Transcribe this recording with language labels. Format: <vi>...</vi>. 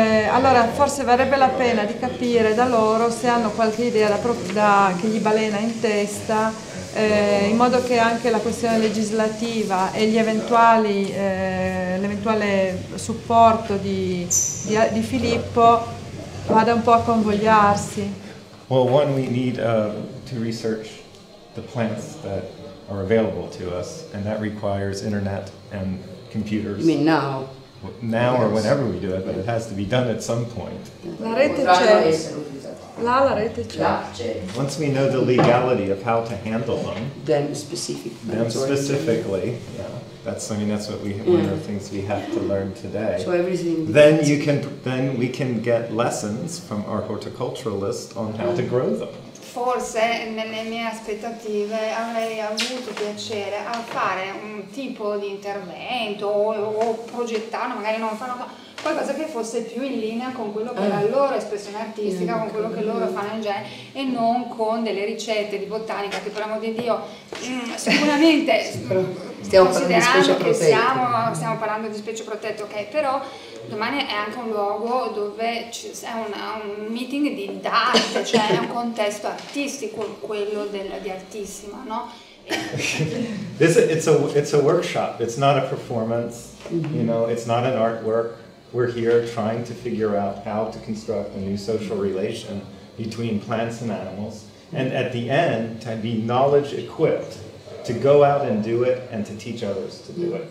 <it>Allora, forse varrebbe la pena di capire da loro se hanno qualche idea che gli balena in testa, in modo che anche la questione legislativa e l'eventuale supporto di Filippo vada un po' a convogliarsi.</it> <en>Well, one, we need to research the plants that are available to us, and that requires internet and computers. You mean now? Now or whenever we do it, but it has to be done at some point.</en> <it>La rete c'è. La rete c'è.</it> <en>Once we know the legality of how to handle them. Them specifically. Yeah. One of the things we have to learn today. So everything. Then we can get lessons from our horticulturalist on how to grow them.</en> <it>Forse nelle mie aspettative avrei avuto piacere a fare un tipo di intervento o progettare, magari non fanno qualcosa che fosse più in linea con quello che è la loro espressione artistica, con quello che loro fanno in genere, e non con delle ricette di botanica che, per amor di Dio, sicuramente stiamo parlando di specie protette, ok, però domani è anche un luogo dove c'è un meeting di d'arte, cioè è un contesto artistico quello di Artissima, no?</it> <en>it's a workshop, it's not a performance, you know, it's not an artwork. We're here trying to figure out how to construct a new social relation between plants and animals, and at the end, to be knowledge equipped to go out and do it and to teach others to do it.</en>